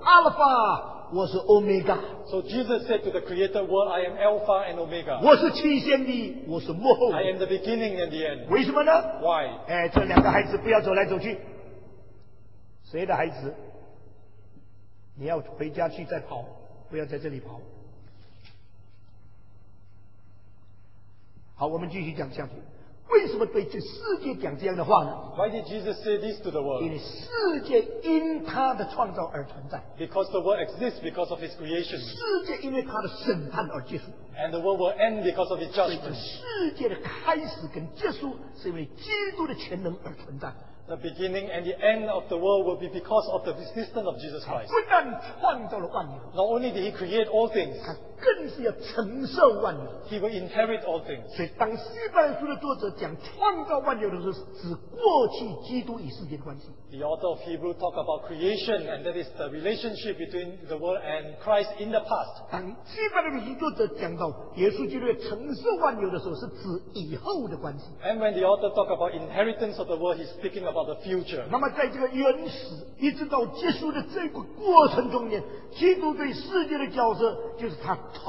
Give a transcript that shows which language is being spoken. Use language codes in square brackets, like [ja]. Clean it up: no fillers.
[en] So Jesus said to the created world, I am Alpha and Omega. I am the beginning and the end. [zh] 为什么呢? [en] Why? [zh] 这两个孩子不要走来走去。谁的孩子? 你要回家去再跑, 不要在这里跑。好，我们继续讲下去。为什么对这世界讲这样的话呢？ [en] Why did Jesus say this to the world? [zh] 因为世界因他的创造而存在。 [en] Because the world exists because of his creation. [zh] 世界因为他的审判而结束。 [en] And the world will end because of his judgment. [zh] 所以世界的开始跟结束是因为基督的全能而存在。 [en] The beginning and the end of the world will be because of the existence of Jesus Christ. [zh] 不但创造了万有。 [en] Not only did he create all things. [zh] 更是要承受万有。 [en] He will inherit all things. [zh] 所以当希伯来书的作者讲创造万有的时候，指过去基督与世界的关系。 [en] The author of Hebrew talk about creation, and that is the relationship between the world and Christ in the past. [zh] 当希伯来书作者讲到耶稣基督要承受万有的时候，是指以后的关系。 [en] And when the author talk about inheritance of the world, he's speaking about the future. [zh] 那么在这个原始一直到结束的这个过程中间，基督对世界的角色就是他。